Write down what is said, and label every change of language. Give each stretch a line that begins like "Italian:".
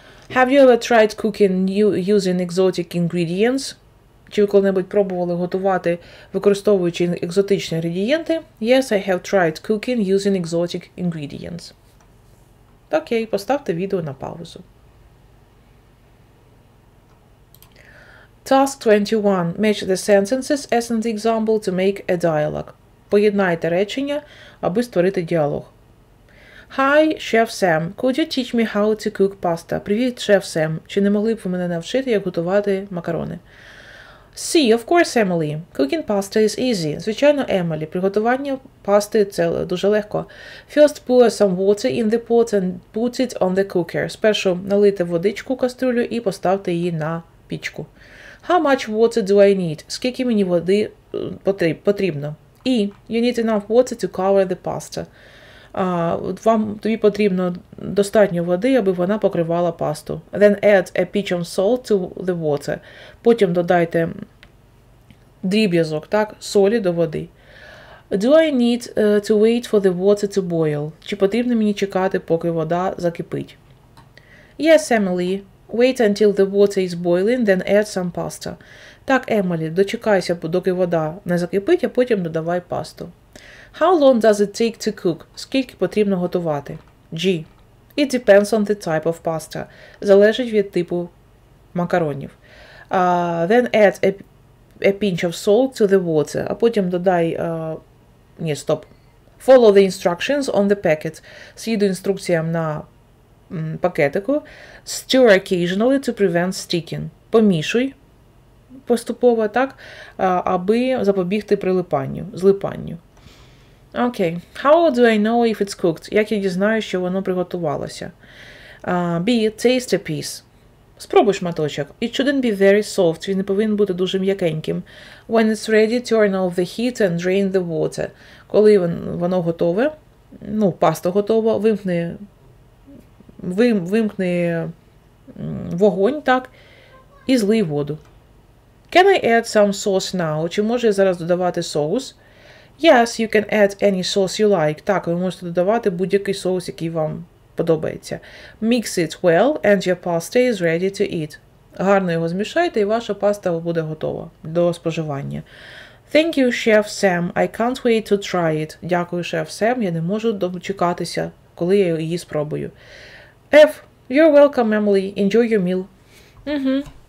English: Have you ever tried cooking using exotic ingredients?
Ukrainian: Чи ви коли-небудь пробували готувати, використовуючи екзотичні інгредієнти?
English: Yes, I have tried cooking using exotic ingredients.
Ukrainian: Окей, поставте відео на паузу.
English: Task 21. Match the sentences as an example to make a dialogue.
Ukrainian: Поєднайте речення, аби створити діалог.
English: Hi, Chef Sam. Could you teach me how to cook pasta?
Ukrainian: Привіт, Chef Sam. Чи не могли б ви мене навчити, як готувати макарони?
English: See, of course, Emily. Cooking pasta is easy.
Ukrainian: Звичайно, Емілі, приготування пасти – це дуже легко.
English: First, pour some water in the pot and put it on the cooker.
Ukrainian: Спершу налийте водичку в кастрюлю і поставте її на пічку.
English: How much water do I need?
Ukrainian: Скільки мені води потрібно? І,
English: you need enough water to cover the pasta.
Ukrainian: Вам тобі потрібно достатньо води, аби вона покривала пасту.
English: Then add a pinch of salt to the water.
Ukrainian: Потім додайте дріб'язок, так, солі до води.
English: Do I need to wait for the water to boil?
Ukrainian: Чи потрібно мені чекати, поки вода закипить?
English: Yes, Emily. Wait until the water is boiling, then add some pasta.
Ukrainian: Так, Емілі, дочекайся, доки вода не закипить, а потім додавай пасту.
English: How long does it take to cook?
Ukrainian: Скільки потрібно готувати?
English: G. It depends on the type of pasta.
Ukrainian: Залежить від типу макаронів.
English: Then add a pinch of salt to the water.
Ukrainian: А потім додай... Стоп.
English: Follow the instructions on the packet.
Ukrainian: Слідуй інструкціям на пакетику.
English: Stir occasionally to prevent sticking.
Ukrainian: Помішуй поступово, так, аби запобігти прилипанню, злипанню. Окей.
English: Okay. How do I know if it's cooked?
Ukrainian: Як я дізнаю, що воно приготувалося?
English: B. Taste a piece.
Ukrainian: Спробуй шматочок.
English: It shouldn't be very soft.
Ukrainian: Він не повинен бути дуже м'якеньким.
English: When it's ready, turn off the heat and drain the water.
Ukrainian: Коли воно готове, ну, паста готова, вимкни вогонь, так, і злий воду.
English: Can I add some sauce now?
Ukrainian: Чи можу я зараз додавати соус?
English: Yes, you can add any sauce you like.
Ukrainian: Так, ви можете додавати будь-який соус, який вам подобається.
English: Mix it well and your pasta is ready to eat.
Ukrainian: Гарно його змішайте і ваша паста буде готова до споживання.
English: Thank you, Chef Sam. I can't wait to try it.
Ukrainian: Дякую, Chef Sam. Я не можу дочекатися, коли я її спробую.
English: F. You're welcome, Emily. Enjoy your meal.